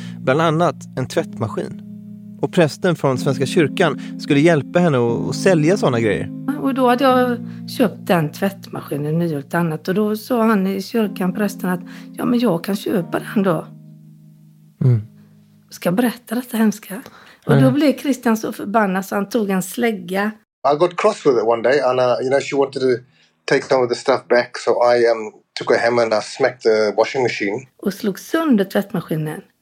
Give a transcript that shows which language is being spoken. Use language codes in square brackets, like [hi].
[sv] Bland annat en tvättmaskin. Och prästen från Svenska kyrkan skulle hjälpa henne att sälja sådana grejer. Och då hade jag köpt den tvättmaskinen nu och annat. Och då sa han i kyrkan, prästen, att ja, men jag kan köpa den då. Mm. Ska jag berätta detta hemska? Och då blev Christian så förbannad så han tog en slägga. [en] I got cross with it one day. And you know, she wanted to take some of the stuff back. So I took her hem and I smacked the washing machine. [sv] Och slog sönder tvättmaskinen.